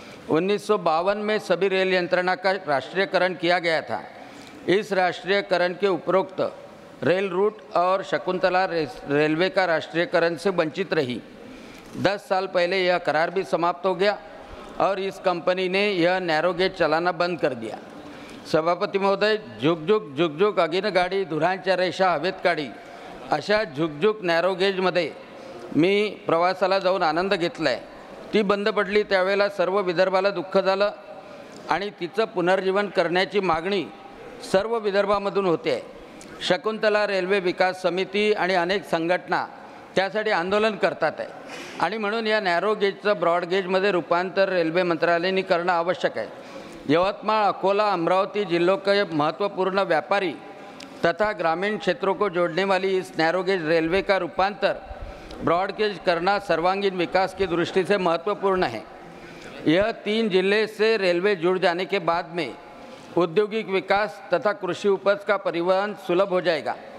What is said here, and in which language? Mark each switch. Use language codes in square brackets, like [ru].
[hi] 1952 में सभी रेल यंत्रणा का राष्ट्रीयकरण किया गया था। इस राष्ट्रीयकरण के उपरोक्त रेल रूट और शकुंतला रेलवे का राष्ट्रीयकरण से वंचित रही। 10 साल पहले यह करार भी समाप्त हो गया और इस कंपनी ने यह नैरोगेज चलाना बंद कर दिया। [mr] सभापति महोदय, झुक झुक अगिन गाड़ी धुरांच्या रेषा हवेत काढी अशा झुकझुक नैरोगेजमध्ये मी प्रवासाला जाऊन आनंद घेतलाय। ती बंद पडली त्यावेळेला सर्व विदर्भाला दुःख झालं आणि तिचं पुनर्जीवन करण्याची मागणी सर्व विदर्भामधून होते। शकुंतला रेल्वे विकास समिती आणि अनेक संघटना त्यासाठी आंदोलन करतात आहे आणि म्हणून या नॅरोगेजचं ब्रॉडगेजमध्ये रूपांतर रेल्वे मंत्रालयाने करणं आवश्यक आहे। [hi] यवतमाळ अकोला अमरावती जिल्ह्यों के महत्त्वपूर्ण व्यापारी तथा ग्रामीण क्षेत्रों को जोड़ने वाली इस नैरोगेज रेलवे का रूपांतर ब्रॉडगेज करना सर्वांगीण विकास की दृष्टि से महत्वपूर्ण है। यह 3 जिले से रेलवे जुड़ जाने के बाद में औद्योगिक विकास तथा कृषि उपज का परिवहन सुलभ हो जाएगा।